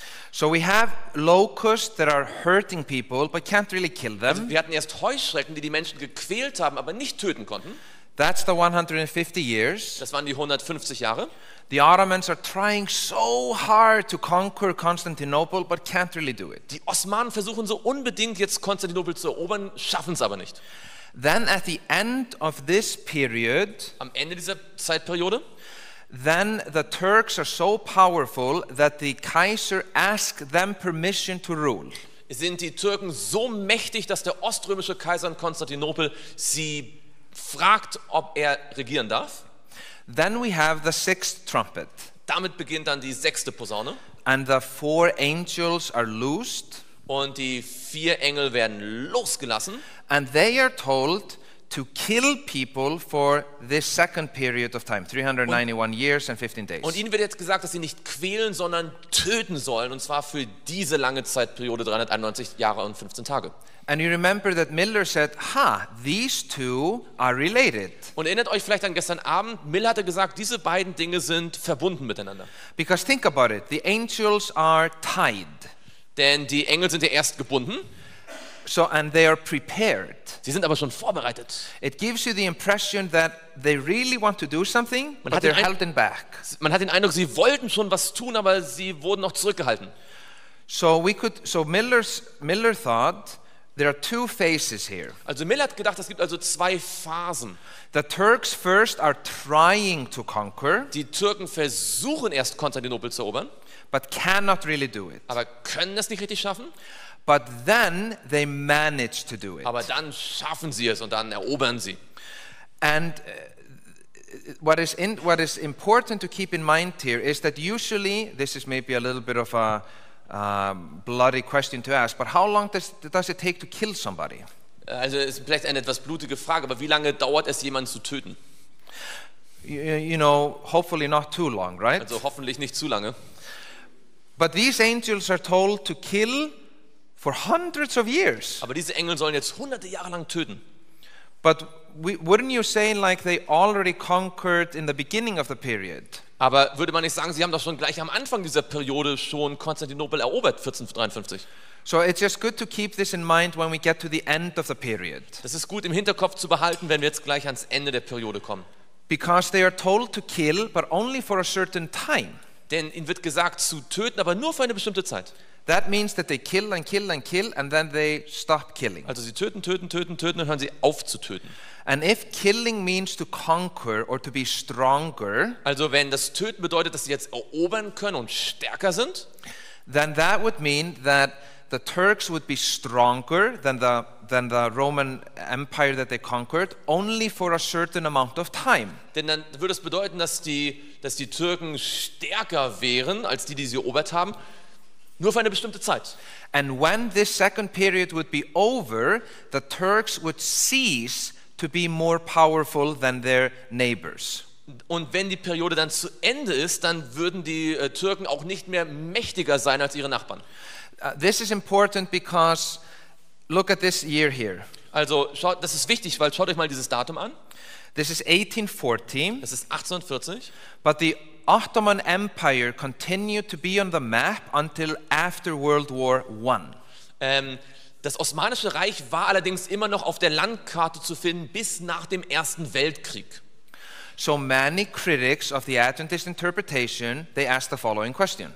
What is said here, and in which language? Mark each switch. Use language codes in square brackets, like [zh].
[en] So we have locusts that are hurting people but can't really kill them. [de] Also, wir hatten erst Heuschrecken, die die Menschen gequält haben, aber nicht töten konnten. [en] That's the 150 years. [de] Das waren die 150 Jahre. [en] The Ottomans are trying so hard to conquer Constantinople but can't really do it. [de] Die Osmanen versuchen so unbedingt jetzt Konstantinopel zu erobern, schaffen es aber nicht. [en] Then at the end of this period, [de] am Ende dieser Zeitperiode, [en] then the Turks are so powerful that the Kaiser asks them permission to rule. [de] Sind die Türken so mächtig, dass der oströmische Kaiser in Konstantinopel sie fragt, ob er regieren darf? [en] Then we have the sixth trumpet. [de] Damit beginnt dann die sechste Posaune. [en] And the four angels are loosed. [de] Und die vier Engel werden losgelassen. [en] And they are told to kill people for this second period of time, 391 years and 15 days. [de] Und ihnen wird jetzt gesagt, dass sie nicht quälen, sondern töten sollen, und zwar für diese lange Zeitperiode, 391 Jahre und 15 Tage. [en] And you remember that Miller said, ha, these two are related. [de] Und erinnert euch vielleicht an gestern Abend, Miller hatte gesagt, diese beiden Dinge sind verbunden miteinander. [en] Because think about it, the angels are tied. [de] Denn die Engel sind ja erst gebunden. [en] So, and they are prepared. [de] Sie sind aber schon vorbereitet. [en] It gives you the impression that they really want to do something, man, but they're held in back. [de] Man hat den Eindruck, sie wollten schon was tun, aber sie wurden noch zurückgehalten. [en] Miller thought there are two phases here. [de] Also Miller hat gedacht, es gibt also zwei Phasen. [en] The Turks first are trying to conquer. [de] Die Türken versuchen erst Konstantinopel zu erobern, [en] but cannot really do it. [de] Aber können es nicht richtig schaffen. [en] But then they manage to do it. [de] Aber dann schaffen sie es und dann erobern sie. [en] And what is important to keep in mind here is that usually this is maybe a little bit of a bloody question to ask, but how long does it take to kill somebody? [de] Also ist vielleicht eine etwas blutige Frage, aber wie lange dauert es, jemanden zu töten? [en] You know, hopefully not too long, right? [de] Also hoffentlich nicht zu lange. [en] But these angels are told to kill for hundreds of years. [de] Aber diese Engel sollen jetzt hunderte Jahre lang töten. [en] But wouldn't you say like they already conquered in the beginning of the period? [de] Aber würde man nicht sagen, sie haben doch schon gleich am Anfang dieser Periode schon Konstantinopel erobert, 1453? [en] So it's just good to keep this in mind when we get to the end of the period. [de] Das ist gut im Hinterkopf zu behalten, wenn wir jetzt gleich ans Ende der Periode kommen. [en] Because they are told to kill, but only for a certain time. [de] Denn ihnen wird gesagt zu töten, aber nur für eine bestimmte Zeit. [en] That means that they kill and kill and kill and then they stop killing. [de] Also sie töten, töten, töten, töten und hören sie auf zu töten. [en] And if killing means to conquer or to be stronger, [de] also wenn das Töten bedeutet, dass sie jetzt erobern können und stärker sind, [en] then that would mean that the Turks would be stronger than the Roman Empire that they conquered only for a certain amount of time. [de] Denn dann würde es bedeuten, dass die Türken stärker wären als die sie erobert haben. Nur für eine bestimmte Zeit. [en] And when this second period would be over, the Turks would cease to be more powerful than their neighbors. [de] Und wenn die Periode dann zu Ende ist, dann würden die Türken auch nicht mehr mächtiger sein als ihre Nachbarn. [en] This is important because look at this year here. [de] Also schaut, das ist wichtig, weil schaut euch mal dieses Datum an. [en] This is 1814. [de] Das ist 1840. [en] But the Ottoman Empire continued to be on the map until after World War I. [de] Das Osmanische Reich war allerdings immer noch auf der Landkarte zu finden bis nach dem Ersten Weltkrieg. [en] So many critics of the Adventist interpretation, they asked the following question.